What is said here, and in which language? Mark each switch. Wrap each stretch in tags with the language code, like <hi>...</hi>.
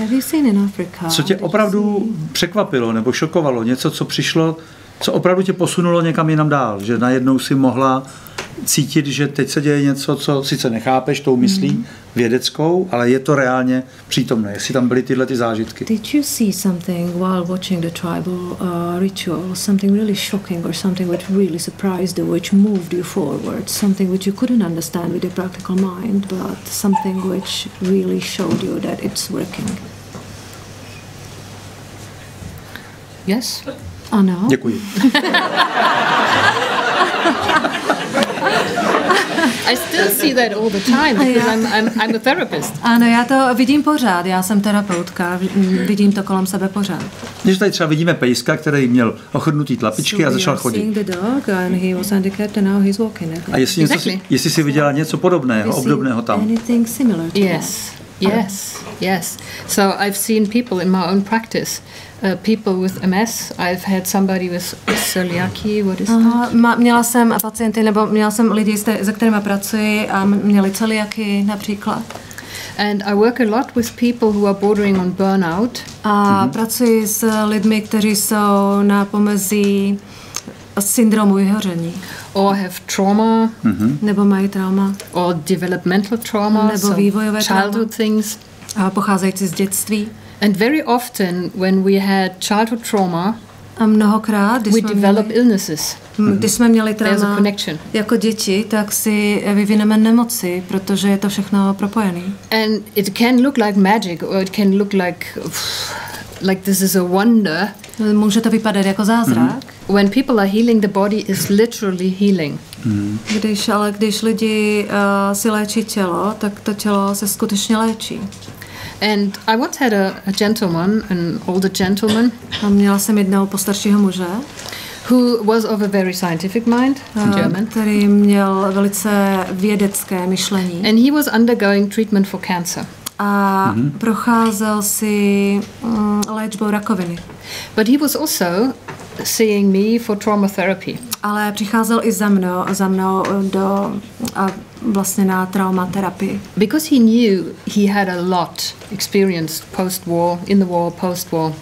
<en>Have you seen in Africa?</en> <cs>Co tě opravdu překvapilo nebo šokovalo, něco, co přišlo, co opravdu tě posunulo někam jinam dál, že najednou si mohla cítit, že teď se děje něco, co sice nechápeš tou myslí vědeckou, ale je to reálně přítomné, jestli tam byly tyhle ty zážitky.</cs> <en>Did you see something while watching the tribal ritual, something really shocking or something which really surprised you, which moved you forward, something which you couldn't understand with your practical mind, but something which really showed you that it's working? Yes.</en> <cs>Ano. Děkuji.</cs> <en>I still see that all the time because I'm a therapist.</en> <cs>Ano, já to vidím pořád. Já jsem terapeutka. Vidím to kolem sebe pořád. Když tady třeba vidíme pejska, který měl ochrnutý tlapičky a začal chodit.</cs> <en>Seeing the dog and he was handicapped and now he's walking again.</en> <cs>A jestli něco, jestli jsi viděla něco podobného, obdobného tam?</cs> <en>Anything similar? Yes. Yes. Yes. So I've seen people in my own practice. People with MS. I've had somebody with celiaky. What is that?</en> <cs>Měla jsem pacienty, nebo měla jsem lidi, se kterými pracuji, a měli celiaky například.</cs> <en>And I work a lot with people who are bordering on burnout.</en> <cs>A pracuji s lidmi, kteří jsou na pomezí syndromu vyhoření.</cs> <en>Or have trauma.</en> <cs>Nebo mají trauma.</cs> <en>Or developmental trauma.</en> <cs>Nebo vývojové trauma.</cs> <en>Childhood things.</en> <cs>A pocházející z dětství.</cs> <en>And very often when we had childhood trauma,</en> <cs>a mnohokrát,</cs> <en>we develop illnesses.</en> <cs>Když jsme měli trauma</cs> <en>connection.</en> <cs>Jako děti, tak si vyvineme nemoci, protože je to všechno propojené.</cs> <en>And it can look like magic or it can look like this is a wonder.</en> <cs>Může to vypadat jako zázrak.</cs> <en>When people are healing, the body is literally healing.</en> <cs>Když lidi si léčí tělo, tak to tělo se skutečně léčí.</cs> <en>And I once had a gentleman, an older gentleman.</en> <cs>A měla jsem jednoho postaršího muže,</cs> <en>who was of a very scientific mind, German.</en> <cs>Který měl velice vědecké myšlení.</cs> <en>And he was undergoing treatment for cancer.</en> <cs>A procházel si léčbou rakoviny.</cs> <en>But he was also seeing me for trauma therapy.</en> <cs>Ale přicházel i za mnou do a vlastně na traumaterapii.</cs> <en>Because he knew he had a lot experienced post-war, in the war, post-war.</en>